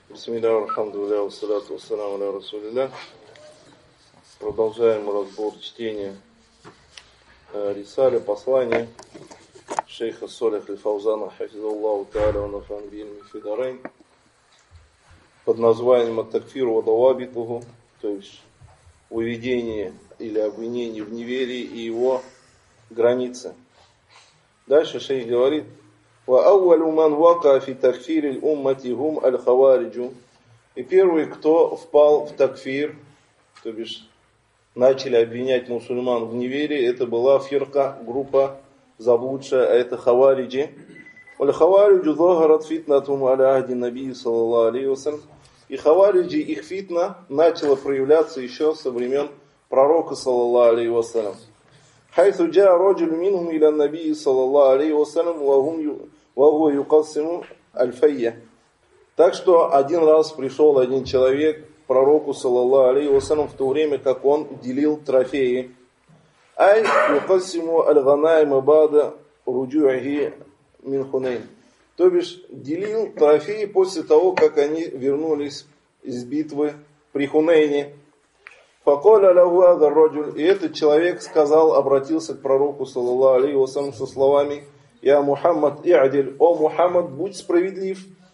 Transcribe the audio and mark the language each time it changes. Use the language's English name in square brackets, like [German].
[Russian] Бисмиллахи ар-рахману ар-рахим ва ас-салату ас-саляму аля расулиллях. Продолжаем разбор чтения рисали, послания шейха Салих аль-Фаузана хафизаллаху тааля ва нафа'ана бихи аль-мухтадарейн под названием «Ат-такфиру ва дауабитуху», то есть «Уведение или обвинение в неверии и его границы». Дальше шейх говорит: [Arabic] وأول من وقع في تكفير الأمة هم الخوارج. [Russian] И первый, кто впал в такфир, то бишь начали обвинять мусульман в неверии, это была фирка, группа заблудшая, а это хавариджи. [Arabic] والخوارج ظهرت فتنتهم على عهد النبي صلى الله عليه وسلم. [Russian] И хавариджи, их фитна начала проявляться еще со времен пророка [Arabic] صلى الله عليه وسلم. حيث جاء رجل منهم إلى النبي صلى الله عليه وسلم وهم وهو يقسم الفية. [Russian] Так что один раз пришел один человек к пророку саллаллаху алейхи ва саллям в то время, как он делил трофеи. [Arabic] اي يقسم الغنائم بعد رجوعه من حنين. [Russian] То бишь делил трофеи после того, как они вернулись из битвы при Хунейне. [Arabic] فقال له هذا الرجل. [Russian] И этот человек сказал, обратился к пророку саллаллаху алейхи ва саллям со словами: «Я Мухаммад и'дил». «О Мухаммад, будь справедлив».